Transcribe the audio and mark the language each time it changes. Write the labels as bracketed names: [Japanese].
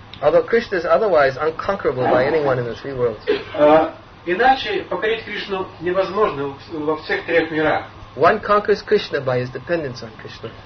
[English] Although Krishna is otherwise unconquerable by anyone in the three worlds. [Russian] Иначе покорить Кришну невозможно во всех трех мирах. [English] One conquers Krishna by his dependence on Krishna.